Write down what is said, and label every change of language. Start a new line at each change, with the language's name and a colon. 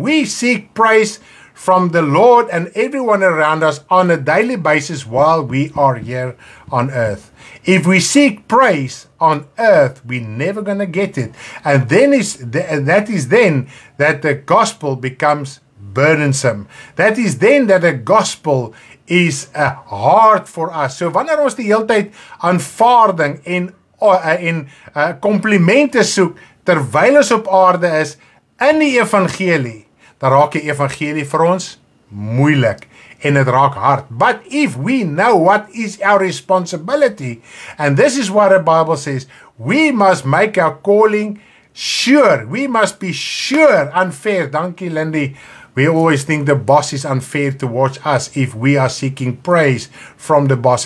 English: We seek praise from the Lord and everyone around us on a daily basis while we are here on earth. If we seek praise on earth, we're never going to get it. And then that is then that the gospel becomes burdensome. That is then that the gospel is hard for us.
Afrikaans: So wanneer ons die hele tyd aanvaarding en komplimente soek terwyl ons op aarde is in die evangelie, dan raak die evangelie vir ons moeilik. In het raak hard.
English: But if we know what is our responsibility, and this is what the Bible says, we must make our calling sure. We must be sure. Unfair. Thank you, Lindy. We always think the boss is unfair towards us if we are seeking praise from the boss.